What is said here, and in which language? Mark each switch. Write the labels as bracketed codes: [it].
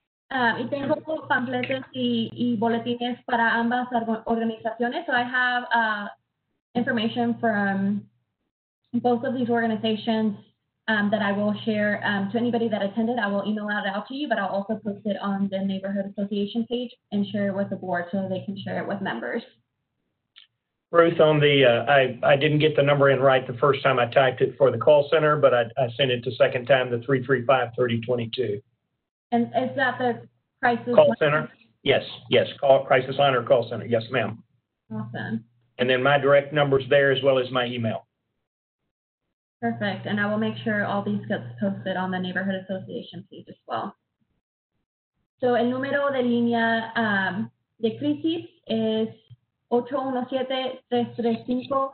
[es] Y tengo pamphlets y boletines para ambas organizaciones. [en] So I have information from both of these organizations that I will share to anybody that attended. I will email that out to you, but I'll also post it on the Neighborhood Association page and share it with the board so they can share it with members. Ruth, on the I didn't get the number in right the first time I typed it for the call center, but I sent it the second time, the 335-3022. And is that the crisis call line? Center? Yes, crisis line or call center. Yes, ma'am. Awesome. And then my direct number's there as well as my email. Perfect, and I will make sure all these gets posted on the Neighborhood Association page as well. [es] So, el número de línea de crisis es 817-335-3022.